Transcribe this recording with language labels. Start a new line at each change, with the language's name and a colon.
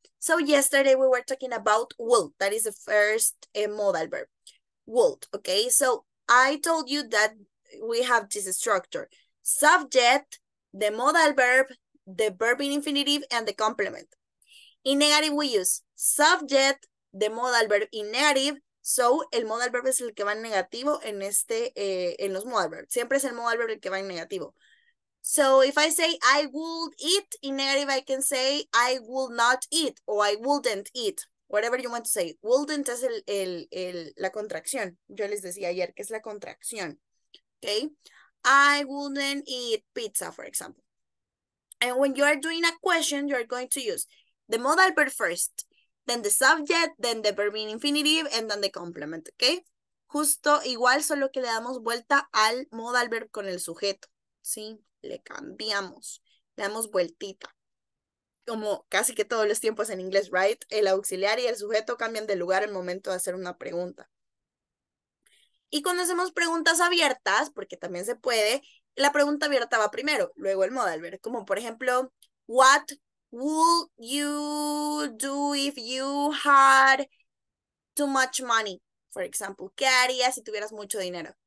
English: So yesterday we were talking about would. That is the first modal verb, would. Okay, so I told you that we have this structure: subject, the modal verb, the verb in infinitive, and the complement. In negative we use subject, the modal verb in negative.
Spanish: So el modal verb es el que va en negativo en este en los modal verbs. Siempre es el modal verb el que va en negativo.
English: So if I say I would eat in negative, I can say I will not eat or I wouldn't eat, whatever you want to say.
Spanish: Wouldn't es la contracción. Yo les decía ayer que es la contracción.
English: Okay. I wouldn't eat pizza, for example. And when you are doing a question, you are going to use the modal verb first, then the subject, then the verb in infinitive, and then the complement. Okay.
Spanish: Justo igual, solo que le damos vuelta al modal verb con el sujeto. Sí. Le cambiamos, le damos vueltita. Como casi que todos los tiempos en inglés, right? El auxiliar y el sujeto cambian de lugar al momento de hacer una pregunta. Y cuando hacemos preguntas abiertas, porque también se puede, la pregunta abierta va primero, luego el modal verb. Como por ejemplo,
English: what would you do if you had too much money? For example,
Spanish: ¿qué harías si tuvieras mucho dinero?